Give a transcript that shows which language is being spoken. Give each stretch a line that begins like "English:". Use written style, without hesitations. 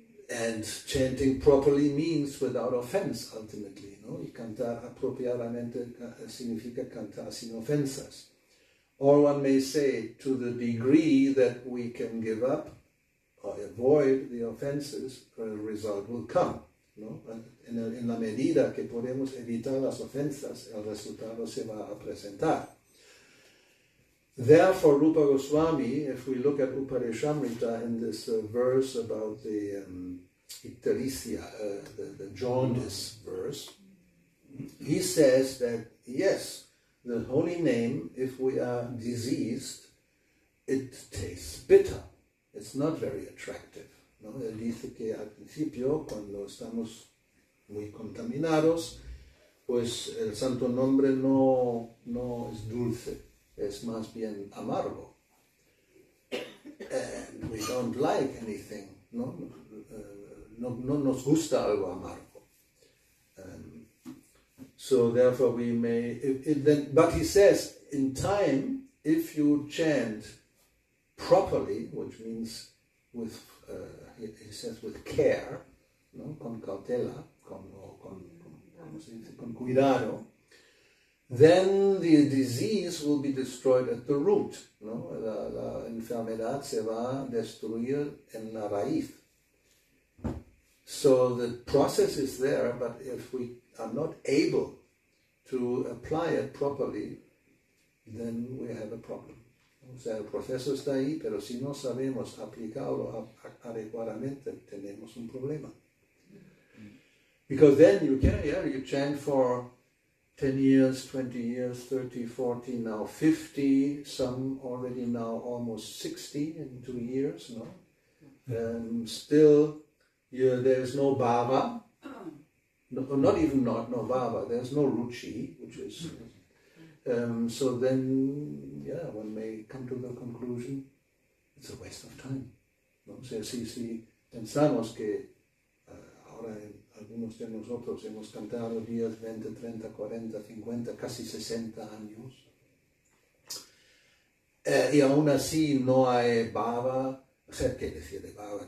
English: And chanting properly means without offense, ultimately, ¿no?
Spanish: Y cantar apropiadamente significa cantar sin ofensas.
English: Or one may say, to the degree that we can give up or avoid the offenses, the result will come, ¿no?
Spanish: En la medida que podemos evitar las ofensas, el resultado se va a presentar.
English: Therefore, Rupa Goswami, if we look at Upadeshamrita in this verse about the ictericia, the jaundice verse, he says that, yes, the holy name, if we are diseased, it tastes bitter. It's not very attractive. ¿No?
Spanish: Él dice que al principio, cuando estamos muy contaminados, pues el santo nombre no es dulce. Es más bien amargo.
English: And we don't like anything.
Spanish: No nos gusta algo amargo.
English: So therefore we may... But he says, in time, if you chant properly, which means with, he says, with care, ¿no?
Spanish: Con cautela, con cuidado,
English: then the disease will be destroyed at the root, ¿no?
Spanish: La enfermedad se va a destruir en la raíz.
English: So the process is there, but if we are not able to apply it properly, then we have a problem.
Spanish: O sea, el proceso está ahí, pero si no sabemos aplicarlo adecuadamente, tenemos un problema.
English: Because then you can, yeah, you chant for 10 years, 20 years, 30, 40, now 50, some already now almost 60 in 2 years, no? Still, yeah, there's no bhava, not bhava, there's no ruchi, which is, so then, yeah, one may come to the conclusion, it's a waste of time.
Spanish: No, o sea, si pensamos que ahora algunos de nosotros hemos cantado 10, 20, 30, 40, 50, casi 60 años. Y aún así no hay bhava, o sea, ¿qué decir de bhava?